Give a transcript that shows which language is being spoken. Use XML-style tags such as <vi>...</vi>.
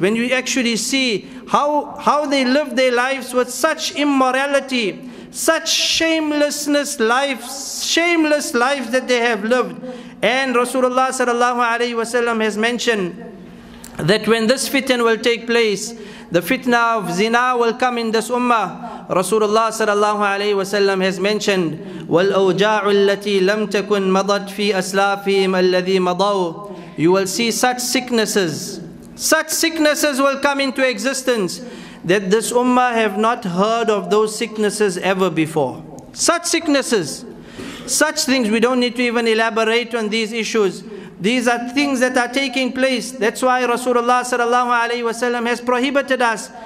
<en>When you actually see how they live their lives with such immorality, such shameless lives that they have lived. And Rasulullah sallallahu alayhi wa sallam has mentioned that when this fitna will take place, the fitna of zina will come in this ummah. Rasulullah sallallahu alayhi wa sallam has mentioned,</en> <ar>وَالْأَوْجَاعُ الَّتِي لَمْ تَكُنْ مَضَتْ فِي أَسْلَافِهِمْ الَّذِي مَضَوْا.</ar> <en>You will see such sicknesses will come into existence that this ummah have not heard of those sicknesses ever before. Such sicknesses, such things, we don't need to even elaborate on these issues. These are things that are taking place. That's why Rasulullah sallallahu alayhi wa sallam has prohibited us.</en>